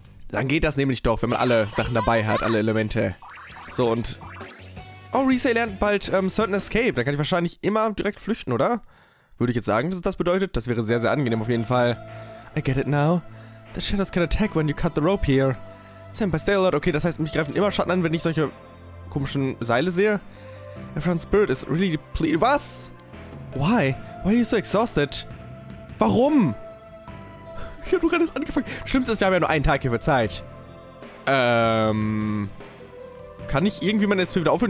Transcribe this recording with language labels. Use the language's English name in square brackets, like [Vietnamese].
[German] Dann geht das nämlich doch, wenn man alle Sachen dabei hat, alle Elemente. So und. Oh, Risei lernt bald Certain Escape. Dann kann ich wahrscheinlich immer direkt flüchten, oder? Würde ich jetzt sagen, dass es das bedeutet? Das wäre sehr, sehr angenehm auf jeden Fall. [English] I get it now. The shadows can attack when you cut the rope here. Senpai, stay alert. [German] Okay, das heißt, mich greifen immer Schatten an, wenn ich solche komischen Seile sehe. [English] Everyone's spirit is really depleted. [German] Was? [English] Why? Why are you so exhausted? [German] Warum? Ich habe nur gerade erst angefangen. Schlimmste ist, wir haben ja nur einen Tag hier für Zeit. Kann ich irgendwie meine SP wieder aufhören?